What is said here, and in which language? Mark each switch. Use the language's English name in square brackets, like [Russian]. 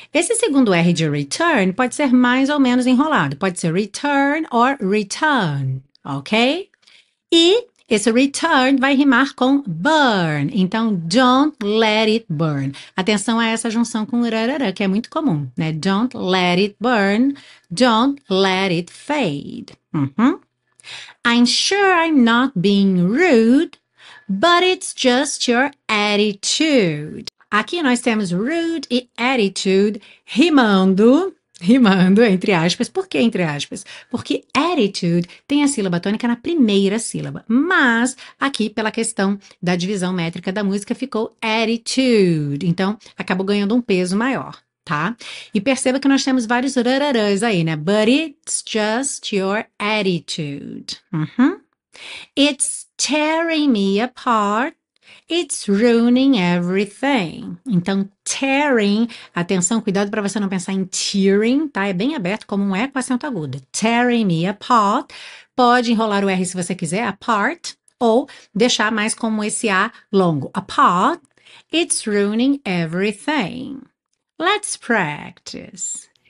[Portuguese] Esse segundo R de return pode ser mais ou menos enrolado. Pode ser return or return, ok? Esse return vai rimar com burn, então [English] don't let it burn. [Portuguese] Atenção a essa junção com rarara, que é muito comum, né? [English] Don't let it burn, don't let it fade. I'm sure I'm not being rude, but it's just your attitude. [Portuguese] Aqui nós temos rude e attitude rimando. Rimando, entre aspas. Por que entre aspas? Porque attitude tem a sílaba tônica na primeira sílaba. Mas, aqui, pela questão da divisão métrica da música, ficou attitude. Então, acabou ganhando um peso maior, tá? E perceba que nós temos vários rararãs aí, né? [English] But it's just your attitude. It's tearing me apart. It's ruining everything. [Portuguese] Então, tearing, atenção, cuidado para você não pensar em tearing, tá? É bem aberto como um E com acento agudo. [English] Tearing me apart. [Portuguese] Pode enrolar o R se você quiser, apart, ou deixar mais como esse A longo. [English] Apart, it's ruining everything. Let's practice.